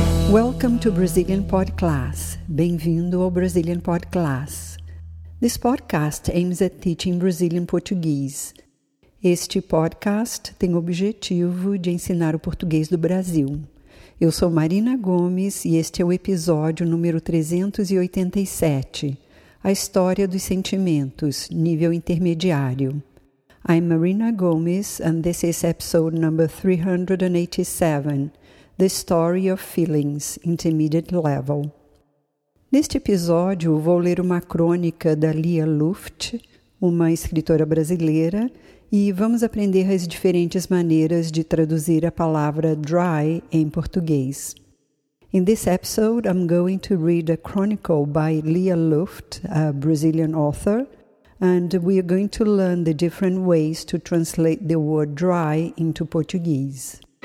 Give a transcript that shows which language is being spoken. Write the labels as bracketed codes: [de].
[en] Welcome to Brazilian Pod Class. [pt] Bem-vindo ao Brazilian Pod Class. [en] This podcast aims at teaching Brazilian Portuguese. [pt] Este podcast tem o objetivo de ensinar o português do Brasil. Eu sou Marina Gomes e este é o episódio número 387, A História dos Sentimentos, Nível Intermediário. [en] I'm Marina Gomes and this is episode number 387, The Story of Feelings, Intermediate Level. [pt] Neste episódio, vou ler uma crônica da Lia Luft, uma escritora brasileira, e vamos aprender as diferentes maneiras de traduzir a palavra dry em português. [en] In this episode, I'm going to read a chronicle by Lia Luft, a Brazilian author, and we are going to learn the different ways to translate the word dry into Portuguese.